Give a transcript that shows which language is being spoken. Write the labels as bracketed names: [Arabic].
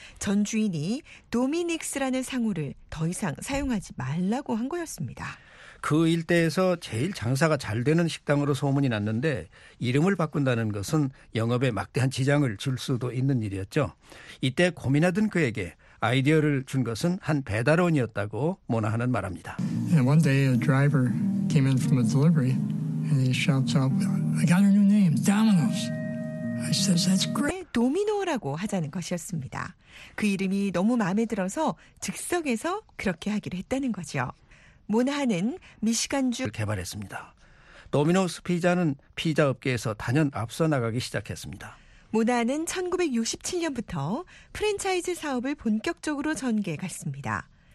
[Korean] 전 주인이 도미닉스라는 상호를 더 이상 사용하지 말라고 한 거였습니다. 그 일대에서 제일 장사가 잘 되는 식당으로 소문이 났는데 이름을 바꾼다는 것은 영업에 막대한 지장을 줄 수도 있는 일이었죠. 이때 고민하던 그에게 아이디어를 준 것은 한 배달원이었다고 모나하는 말합니다. [English] One day a driver came in from a delivery and he shouts out, "I got a new name, Domino's." I says, "That's great." [Korean] 도미노라고 하자는 것이었습니다. 그 이름이 너무 마음에 들어서 즉석에서 그렇게 하기로 했다는 거죠. 모나하는 미시간주를 개발했습니다. 도미노스 피자는 피자 업계에서 단연 앞서 나가기 시작했습니다. 모나는 1967년부터 프랜차이즈 사업을 본격적으로 전개해 갔습니다.